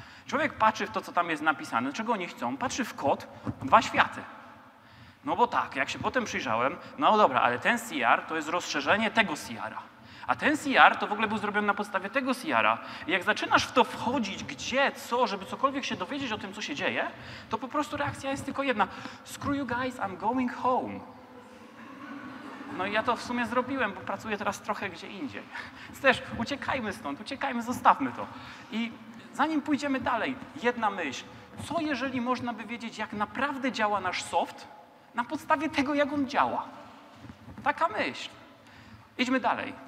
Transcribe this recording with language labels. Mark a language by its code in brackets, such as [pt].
[pl] Człowiek patrzy w to, co tam jest napisane, czego oni chcą, patrzy w kod, dwa światy. No bo tak, jak się potem przyjrzałem, no dobra, ale ten CR to jest rozszerzenie tego CR-a. A ten CR to w ogóle był zrobiony na podstawie tego CR-a. I jak zaczynasz w to wchodzić, gdzie, co, żeby cokolwiek się dowiedzieć o tym, co się dzieje, to po prostu reakcja jest tylko jedna. [en] Screw you guys, I'm going home. [pl] No i ja to w sumie zrobiłem, bo pracuję teraz trochę gdzie indziej. Też uciekajmy stąd, uciekajmy, zostawmy to. I zanim pójdziemy dalej, jedna myśl. Co jeżeli można by wiedzieć, jak naprawdę działa nasz soft na podstawie tego, jak on działa? Taka myśl. Idźmy dalej.